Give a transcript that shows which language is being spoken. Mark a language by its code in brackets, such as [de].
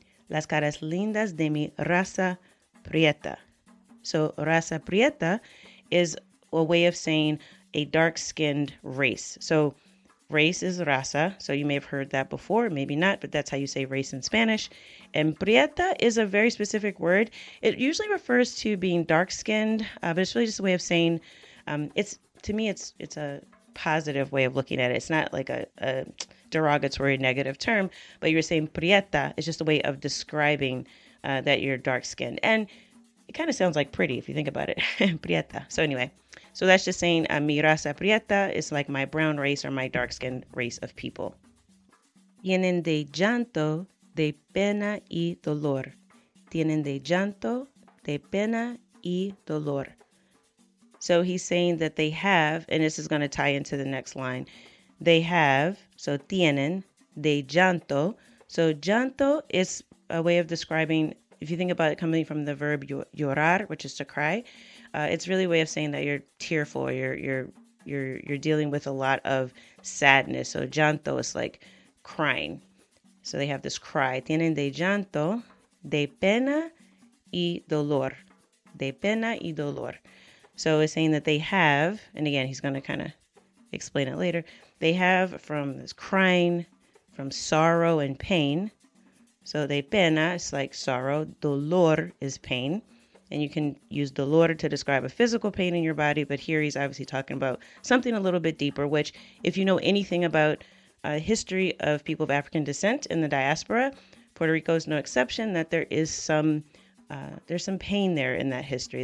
[es] Las caras lindas de mi raza prieta. [en] So raza prieta is a way of saying a dark-skinned race. So race is raza. So you may have heard that before, maybe not, but that's how you say race in Spanish. And prieta is a very specific word. It usually refers to being dark-skinned, but it's really just a way of saying, it's a positive way of looking at it. It's not like a derogatory negative term, but you're saying prieta is just a way of describing that you're dark-skinned. And it kind of sounds like pretty if you think about it, prieta. So anyway, so that's just saying mi raza prieta is like my brown race or my dark-skinned race of people. [es] Tienen de llanto, de pena y dolor. Tienen de llanto, de pena y dolor. [en] So he's saying that they have, and this is going to tie into the next line, they have, so [es] tienen, de llanto. [en] So llanto is a way of describing, if you think about it coming from the verb llorar, which is to cry, it's really a way of saying that you're tearful, you're dealing with a lot of sadness. So llanto is like crying. So they have this cry. [es] Tienen de llanto, de pena y dolor. De pena y dolor. [en] So it's saying that they have, and again, he's going to kind of explain it later. They have from this crying, from sorrow and pain. So de pena is like sorrow. Dolor is pain. And you can use dolor to describe a physical pain in your body. But here he's obviously talking about something a little bit deeper, which if you know anything about a history of people of African descent in the diaspora, Puerto Rico is no exception, that there is some there's some pain there in that history.